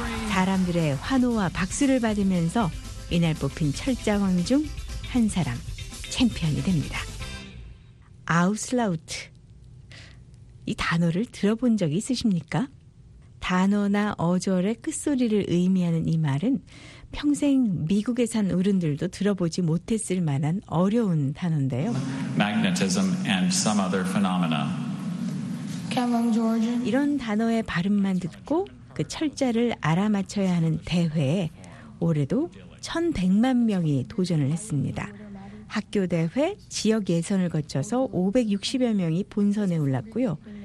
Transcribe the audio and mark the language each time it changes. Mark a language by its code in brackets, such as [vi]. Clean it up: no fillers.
[ko] 사람들의 환호와 박수를 받으면서 이날 뽑힌 철자왕 중 한 사람 챔피언이 됩니다. 아웃라우트. 이 단어를 들어본 적이 있으십니까? 단어나 어절의 끝소리를 의미하는 이 말은 평생 미국에 산 어른들도 들어보지 못했을 만한 어려운 단어인데요. [en] Magnetism and some other phenomena. [ko] 이런 단어의 발음만 듣고 그 철자를 알아맞혀야 하는 대회에 올해도 1,100만 명이 도전을 했습니다. 학교 대회, 지역 예선을 거쳐서 560여 명이 본선에 올랐고요.